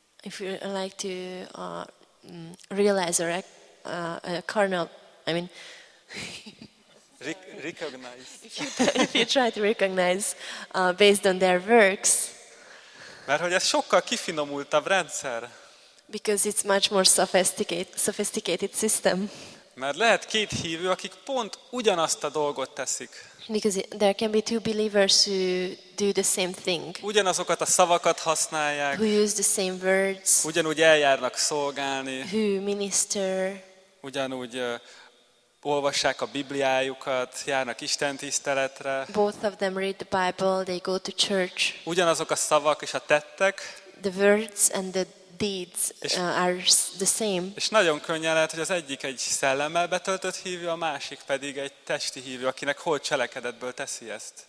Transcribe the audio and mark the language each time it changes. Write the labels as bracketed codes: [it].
[en] If you like to realize or a carnal, I mean, recognize. If you try to recognize based on their works. [hu] Mert hogy ez sokkal kifinomultabb rendszer. [en] Because it's much more sophisticated system. [hu] Mert lehet két hívő, akik pont ugyanazt a dolgot teszik. [en] Because there can be two believers who do the same thing. [hu] Ugyanazokat a szavakat használják. [en] Who use the same words. [hu] Ugyanúgy eljárnak szolgálni. [en] Who minister. [hu] Ugyanúgy olvassák a Bibliájukat, járnak Isten tiszteletre. [en] Both of them read the Bible, they go to church. [hu] Ugyanazok a szavak és a tettek. [en] The words and the deeds are the same. [hu] És nagyon könnyen lehet, hogy az egyik egy szellemmel betöltött hívő, a másik pedig egy testi hívő, akinek hol cselekedetből teszi ezt.